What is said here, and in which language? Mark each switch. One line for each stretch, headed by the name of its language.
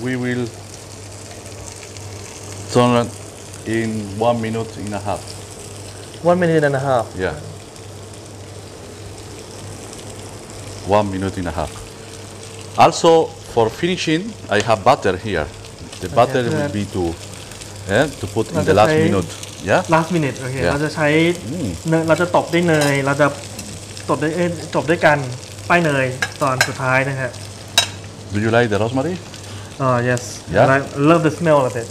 English: we will turnIn 1 minute and a half. 1 minute and a half. Yeah. 1 minute and a half. Also, for finishing, I have butter here. The butter okay, will be to put in the last minute. Yeah. Last minute. Okay. Yeah.
Thai: เราจะใช้เนยเราจะตบได้เนยเราจะตบได้จบด้วยกันไปเนยตอนสุดท้ายนะฮะ
English: Do you like the rosemary? Yes. Yeah. And I love the smell of it.